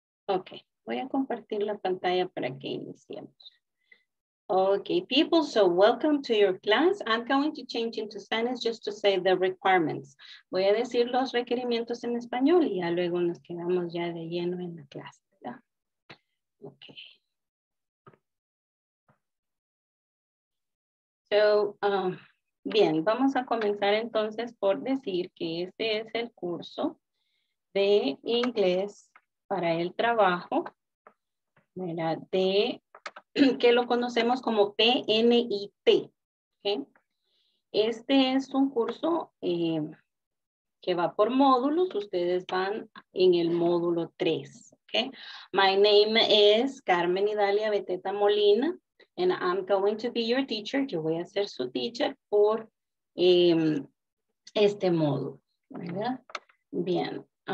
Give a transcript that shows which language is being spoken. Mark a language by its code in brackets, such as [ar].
[es] Ok, voy a compartir la pantalla para que iniciemos. [en] Ok, people, so welcome to your class. I'm going to change into Spanish just to say the requirements. [es] Voy a decir los requerimientos en español y ya luego nos quedamos ya de lleno en la clase, ¿verdad? Ok. So, bien, vamos a comenzar entonces por decir que este es el curso de inglés para el trabajo, ¿verdad? De que lo conocemos como PNIT. ¿Okay? Este es un curso que va por módulos. Ustedes van en el módulo 3. ¿Okay? [en] My name is Carmen Idalia Beteta Molina, and I'm going to be your teacher. [es] Yo voy a ser su teacher por este módulo. ¿Verdad? Bien.